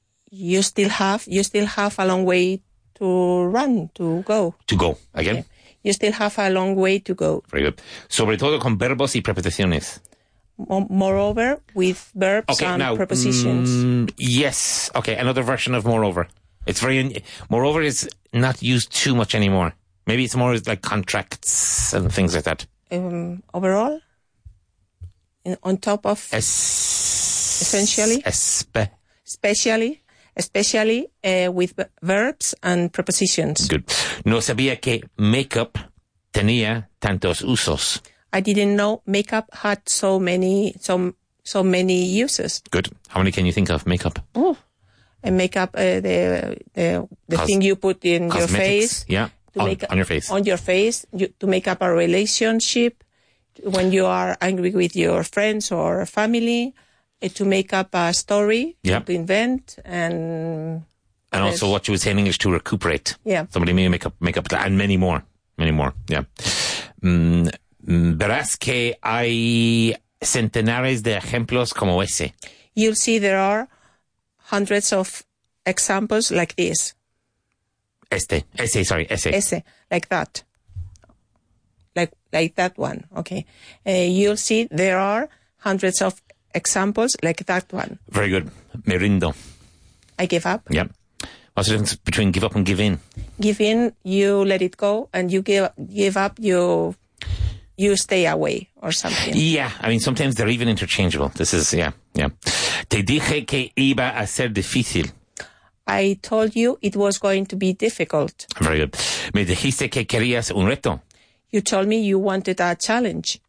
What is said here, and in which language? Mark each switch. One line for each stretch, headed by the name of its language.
English: You still have a long way to run, to go. To go, again? Okay. You still have a long way to go. Very good.
Spanish: Sobre todo con verbos y preposiciones.
English: Moreover, with verbs and prepositions. Yes. Okay, another version of moreover. It's very... Moreover is not used too much anymore. Maybe it's more like contracts and things like that. Overall? On top of... Essentially? Especially? Especially with verbs and prepositions. Good.
Spanish: No sabía que makeup tenía tantos usos.
English: I didn't know makeup had so many uses. Good. How many can you think of makeup? And makeup, the thing you put in your face. Yeah. On your face. On your face, to make up a relationship when you are angry with your friends or family. To make up a story, to invent, and also what you would say in English, to recuperate. Yeah. Somebody may make up, and many more, yeah.
Spanish: Verás que hay centenares de ejemplos como ese.
English: You'll see there are hundreds of examples like this.
Spanish: Ese,
English: like that. Like that one, okay. You'll see there are hundreds of examples like that one. Very good.
Spanish: Me rindo.
English: I give up. Yep. What's the difference between give up and give in? Give in, you let it go, and you give up, you stay away or something. Yeah. I mean, sometimes they're even interchangeable. This is, yeah.
Spanish: Te dije que iba a ser difícil.
English: I told you it was going to be difficult. Very good.
Spanish: Me dijiste que querías un reto.
English: You told me you wanted a challenge.